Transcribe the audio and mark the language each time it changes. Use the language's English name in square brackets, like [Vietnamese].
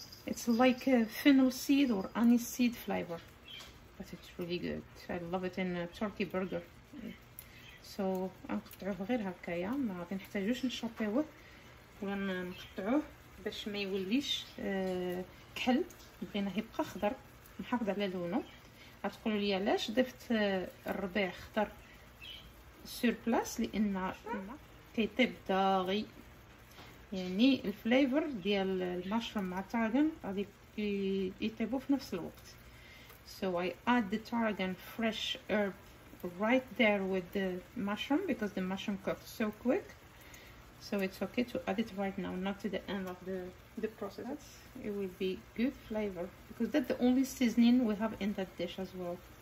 [English] It's like a fennel seed or anise seed flavor, but it's really good. I love it in a turkey burger. [Arabic] So نقطعوه غير هكايا، ما غادي نحتاجوش نشطيوه ولا نقطعوه باش ما يوليش كحل. بغيناه يبقى خضر محافظ على لونه. غتقولوا لي علاش ضفت الربيع خضر سور بلاس؟ لان كيطيب داغي. يعني الفليفر ديال المشروم مع التاراغون غادي يطيبوا في نفس الوقت. [English] So I add the tarragon fresh herb right there with the mushroom because the mushroom cooked so quick. So it's okay to add it right now, not to the end of the process. That's, it will be good flavor because that's the only seasoning we have in that dish as well.